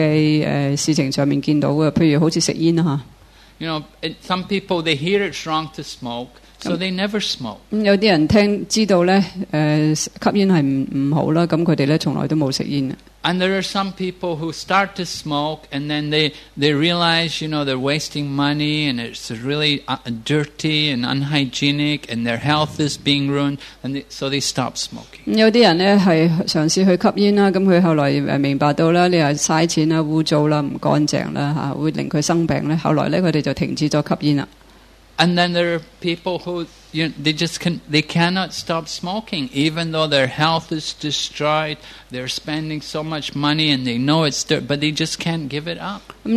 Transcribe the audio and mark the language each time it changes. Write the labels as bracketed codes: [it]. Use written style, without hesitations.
[zh] 這一類的情況,我們可以在很多事情上見到,譬如好像吸煙。 [en] You know, some people, they hear it's wrong to smoke, so they never smoke. [zh] 有些人知道吸煙是不好,他們從來都沒有吸煙。 [en] And there are some people who start to smoke and then they realize, you know, they're wasting money and it's really dirty and unhygienic and their health is being ruined and so they stop smoking. [zh] 有些人是嘗試去吸煙,他們後來明白到你是浪費錢、骯髒、不乾淨,會令他生病,後來他們就停止了吸煙了。 [en] And then there are people who they cannot stop smoking, even though their health is destroyed, they're spending so much money and they know it's dirt, but they just can't give it up.